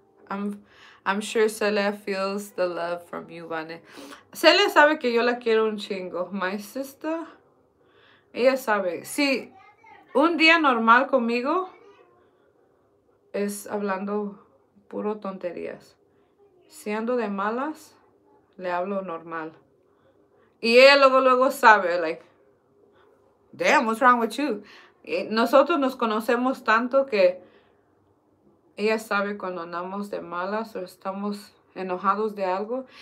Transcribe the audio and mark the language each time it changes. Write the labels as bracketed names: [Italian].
[English] I'm sure Celia feels the love from you, Vane. [Spanish] Celia sabe que yo la quiero un chingo. [English] My sister, [Spanish] ella sabe. Si un día normal conmigo es hablando puro tonterías. Si ando de malas, le hablo normal. Y ella luego sabe, [English] like, damn, what's wrong with you? [Spanish] Y nosotros nos conocemos tanto que ella sabe cuando andamos de malas o estamos enojados de algo.